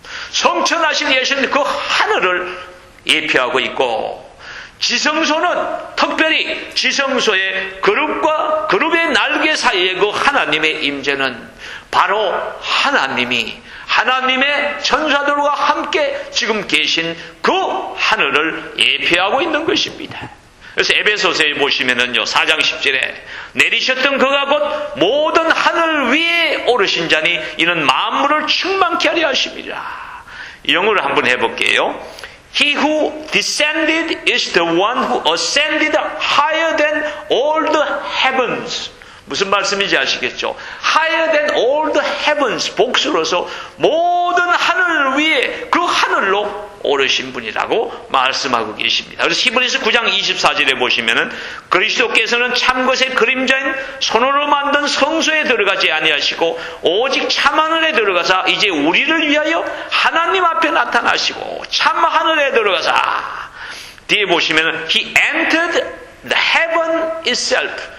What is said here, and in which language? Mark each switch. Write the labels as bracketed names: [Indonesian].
[Korean] 성천하실 예수님 그 하늘을 예표하고 있고 지성소는 특별히 지성소의 그룹과 그룹의 날개 사이에 그 하나님의 임재는 바로 하나님이 하나님의 천사들과 함께 지금 계신 그 하늘을 예표하고 있는 것입니다. 그래서 에베소서에 보시면은요, 4장 10절에 내리셨던 그가 곧 모든 하늘 위에 오르신 자니 이는 만물을 충만케 하려 하심이라. 영어를 한번 해볼게요. [English] He who descended is the one who ascended higher than all the heavens. [Korean] 무슨 말씀인지 아시겠죠? [English] Higher than all the heavens. [Korean] 복수로서 모든 하늘 위에 그 하늘로 오르신 분이라고 말씀하고 계십니다. 그래서 히브리서 9장 24절에 보시면은 그리스도께서는 참것의 그림자인 손으로 만든 성소에 들어가지 아니하시고 오직 참하늘에 들어가사 이제 우리를 위하여 하나님 앞에 나타나시고 참하늘에 들어가사 뒤에 보시면은 [English] He entered the heaven itself.